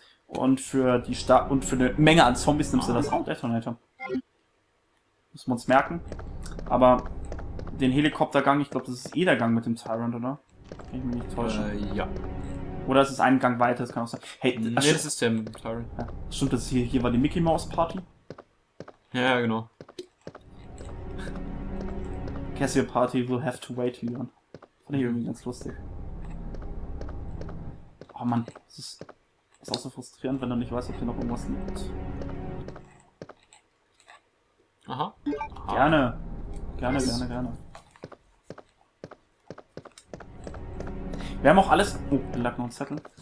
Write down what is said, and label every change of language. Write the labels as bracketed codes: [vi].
[de] Und für die und für eine Menge an Zombies nimmst du das Sound Detonator. Müssen wir uns merken. Aber den Helikoptergang, ich glaube, das ist eh der Gang mit dem Tyrant, oder? Kann ich mich nicht täuschen. Ja. Oder ist es ein Gang weiter, das kann auch sein. Hey, das ist der mit dem Tyrant. Ja. Stimmt, das hier war die Mickey Mouse Party. Ja, genau. [en] Guess your party will have to wait, Leon. [de] Fand ich irgendwie ganz lustig. Oh Mann, das ist. Das ist auch so frustrierend, wenn du nicht weißt, ob hier noch irgendwas liegt. Aha. Gerne. Gerne, was? Gerne, gerne. Wir haben auch alles. Oh, da lag noch ein Zettel.